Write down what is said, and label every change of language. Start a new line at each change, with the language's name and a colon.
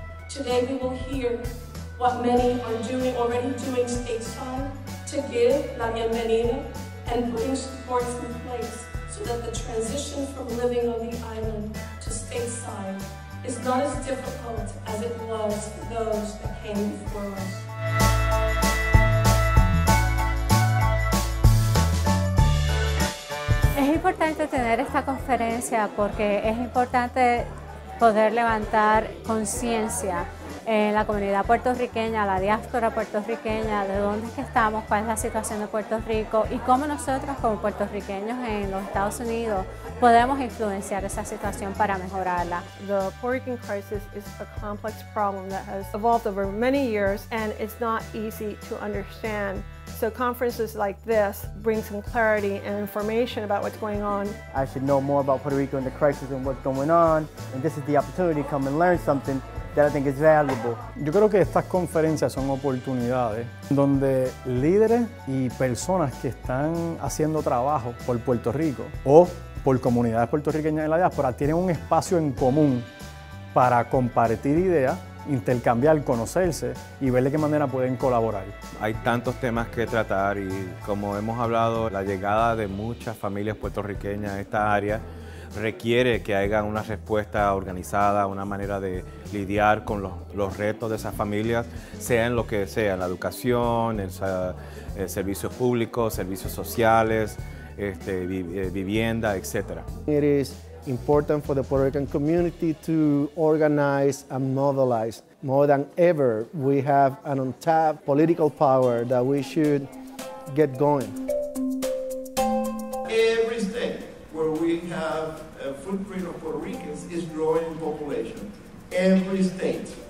English: Today we will hear what many are doing, already doing stateside, to give
Spanish: la bienvenida
English: and putting supports in place so that the transition from living on the island to stateside is not as difficult as it was for those that came before us.
Spanish: Es importante tener esta conferencia porque es importante poder levantar conciencia en la comunidad puertorriqueña, la diáspora puertorriqueña, de dónde es que estamos, cuál es la situación de Puerto Rico y cómo nosotros como puertorriqueños en los Estados Unidos podemos influenciar esa situación para mejorarla.
English: The Puerto Rican crisis is a complex problem that has evolved over many years and it's not easy to understand. So conferences like this bring some clarity and information about what's going on. I should know more about Puerto Rico and the crisis and what's going on, and this is the opportunity to come and learn something that I think is valuable.
Spanish: Yo creo que estas conferencias son oportunidades donde líderes y personas que están haciendo trabajo por Puerto Rico o por comunidades puertorriqueñas en la diáspora tienen un espacio en común para compartir ideas, intercambiar, conocerse y ver de qué manera pueden colaborar. Hay tantos temas que tratar y como hemos hablado, la llegada de muchas familias puertorriqueñas a esta área requiere que haya una respuesta organizada, una manera de lidiar con los retos de esas familias, sea en lo que sea, en la educación, en servicios públicos, servicios sociales, vivienda, etc.
English: It is important for the Puerto Rican community to organize and mobilize. More than ever, we have an untapped political power that we should get going. Every state where we have a footprint of Puerto Ricans is growing in population. Every state.